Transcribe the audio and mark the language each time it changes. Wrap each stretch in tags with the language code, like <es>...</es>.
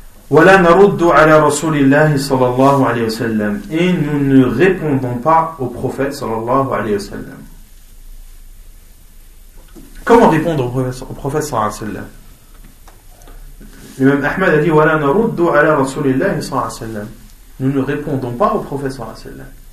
<ar>وَلَا نَرُدُّ عَلَى رَسُولِ اللَّهِ صَلَى اللَّهُ عَلَيْهِ وَسَلَّمْ.</ar> <fr>Et nous ne répondons pas au prophète صلى الله عليه وسلم. Comment répondre au prophète صلى الله عليه وسلم? L'imam Ahmad a dit</fr> <ar>وَلَا نَرُدُّ عَلَى رَسُولِ اللَّهِ صَلَى اللَّهُ عَلَيْهِ وَسَلَّمْ.</ar> <fr>Nous ne répondons pas au prophète صلى الله عليه وسلم.</fr>